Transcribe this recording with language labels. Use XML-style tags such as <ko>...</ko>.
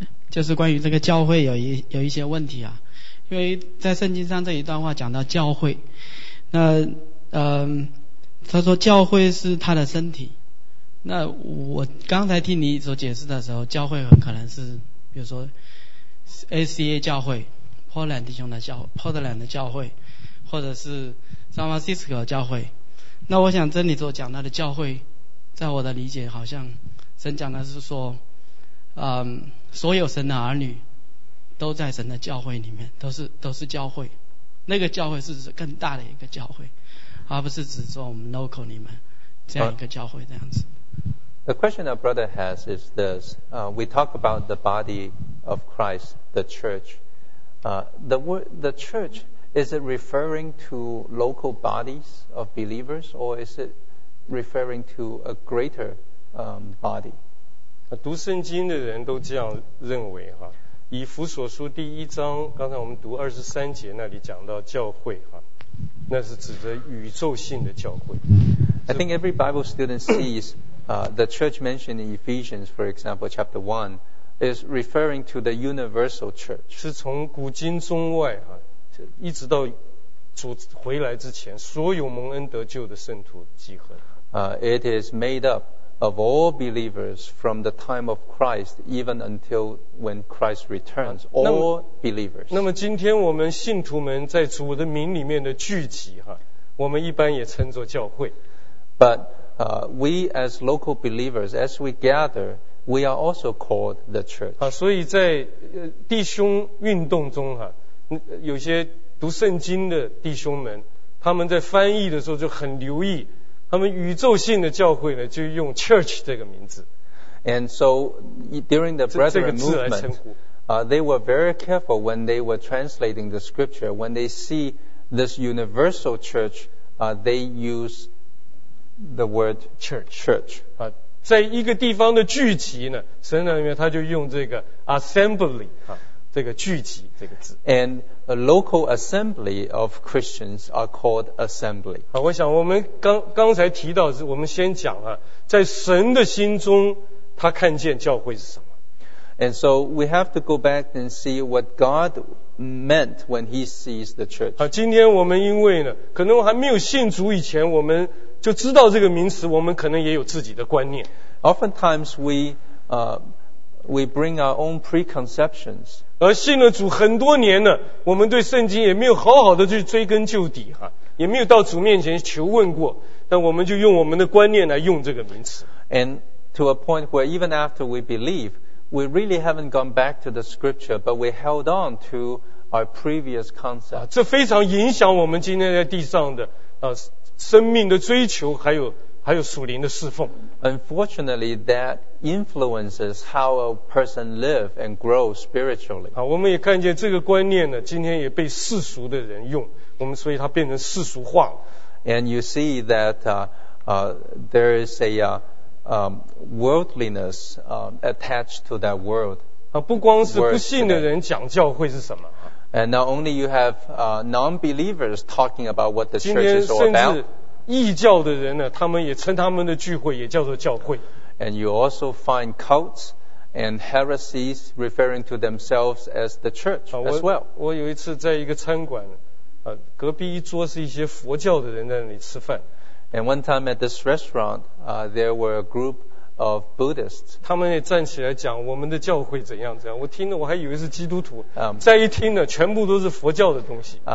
<zh>就是关于这个教会有一些问题啊，因为在圣经上这一段话讲到教会，那他说教会是他的身体，那我刚才听你所解释的时候，教会很可能是比如说 ACA 教会 Portland 弟兄的教会 Portland 的教会，或者是 San Francisco 教会，那我想这里所讲到的教会，在我的理解好像神讲的是说所有神的儿女都在神的教会里面，都是教会，那个教会是指更大的一个教会，而不是指说我们 local 里面这样一个教会这样子。</zh> <en>The question our brother has is this: we talk about the body of Christ, the church. The word the church, is it referring to local bodies of believers, or is it referring to a greater body?</en> <zh>读圣经的人都这样认为哈，以弗所书第一章，刚才我们读二十三节那里讲到教会哈，那是指着宇宙性的教会。</zh> <en>I think every Bible student sees, the church mentioned in Ephesians, for example, chapter 1, is referring to the universal church.</en> <zh>是从古今中外哈，一直到主回来之前，所有蒙恩得救的圣徒集合。</zh> <en>It is made up. Of all believers from the time of Christ, even until when Christ returns, all believers.</en> <zh>那么今天我们信徒们在主的名里面的聚集哈，我们一般也称作教会。</zh> <en>But, we as local believers, as we gather, We are also called the church.</en> <zh>啊，所以在弟兄运动中哈，有些读圣经的弟兄们，他们在翻译的时候就很留意，他们宇宙性的教会呢就用 church 这个名字。</zh> <en>And so during the Brethren movement, they were very careful when they were translating the scripture. When they see this universal church, they use the word church.</en> <zh>啊，在一个地方的聚集呢，神里面他就用这个 assembly 啊，这个聚集这个字。</zh> <en>And a local assembly of Christians are called assembly.</en> <zh>好，我想我们刚才提到是，我们先讲啊，在神的心中。他看见教会是什么？</zh> <en>And so we have to go back and see what God meant when He sees the church.</en> <zh>啊，今天我们因为呢，可能还没有信主以前，我们就知道这个名词，我们可能也有自己的观念。</zh> <en>Oftentimes we bring our own preconceptions.</en> <zh>而信了主很多年呢，我们对圣经也没有好好的去追根究底哈，也没有到主面前求问过，但我们就用我们的观念来用这个名词。</zh> <en>And to a point where even after we believe, we really haven't gone back to the scripture, but we held on to our previous concept.</en> <zh>这非常影响我们今天在地上的生命的追求，还有属灵的侍奉。</zh> <en>Unfortunately, that influences how a person live and grow spiritually.</en> <zh>好，我们也看见这个观念呢，今天也被世俗的人用，我们所以它变成世俗化了。</zh> <en>And you see that there is a worldliness attached to that world.</en> <zh>啊，不光是不信的人讲教会是什么。</zh> <en>And not only you have non-believers talking about what the church is all about.</en> <zh>今天甚至异教的人呢，他们也称他们的聚会也叫做教会。</zh> <en>And you also find cults and heresies referring to themselves as the church as well.</en> <zh>我有一次在一个餐馆，隔壁一桌是一些佛教的人在那里吃饭。</zh> <en>And one time at this restaurant, there were a group of Buddhists.</en> <zh>他们也站起来讲我们的教会怎样怎样。我听了我还以为是基督徒，再一听呢，全部都是佛教的东西。</zh>